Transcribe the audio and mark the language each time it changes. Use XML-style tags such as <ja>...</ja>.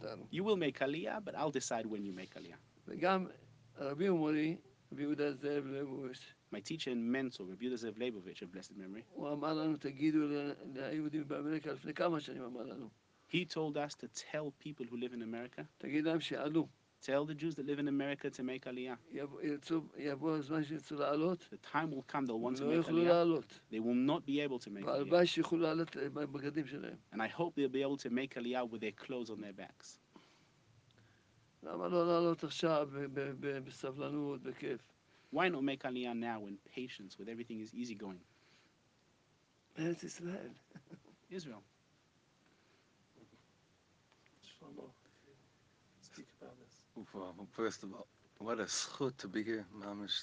<en>You will make Aliyah, but I'll decide when you make Aliyah.</en> <he>וגם רבי ומורי, רבי יהודה זאב לייבוביץ.</he> <en>My teacher and mentor, רבי יהודה זאב לייבוביץ, of blessed memory.</en> <he>הוא אמר לנו, תגידו ליהודים באמריקה לפני כמה שנים אמר לנו.</he> <en>He told us to tell people who live in America.</en> <he>תגיד להם שיעלו.</he> <en>Tell the Jews that live in America to make Aliyah.</en> <he>יבוא הזמן שירצו לעלות.</he> <en>The time will come, they'll want to make Aliyah. They will not be able to make Aliyah.</en> <he>והלוואי שיוכלו לעלות בבגדים שלהם.</he> <en>And I hope they'll be able to make Aliyah with their clothes on their backs.</en> <he>למה לא לעלות עכשיו בסבלנות, בכיף?</he> <en>Why not make Aliyah now in patience with everything is easy going?</en> <he>ארץ ישראל.</he> <en>Israel. Speak about this. Well, first of all, what a zchut to be here, Mamish.</en>